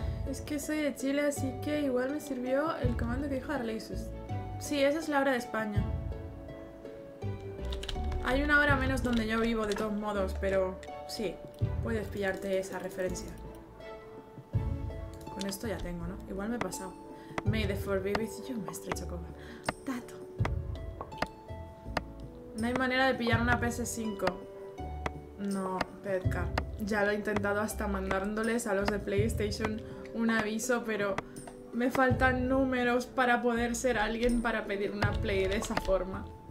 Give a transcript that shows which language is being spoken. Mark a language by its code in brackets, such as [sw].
[es] Es que soy de Chile, así que igual me sirvió el comando que dijo Arleisus. Sí, esa es la hora de España. Hay una hora menos donde yo vivo, de todos modos, pero sí, puedes pillarte esa referencia. Con esto ya tengo, ¿no? Igual me he pasado. [en] May the force be with you, maestro Chocoba. [es] Dato. No hay manera de pillar una PS5. No, Petka. Ya lo he intentado hasta mandándoles a los de PlayStation un aviso, pero me faltan números para poder ser alguien para pedir una Play de esa forma.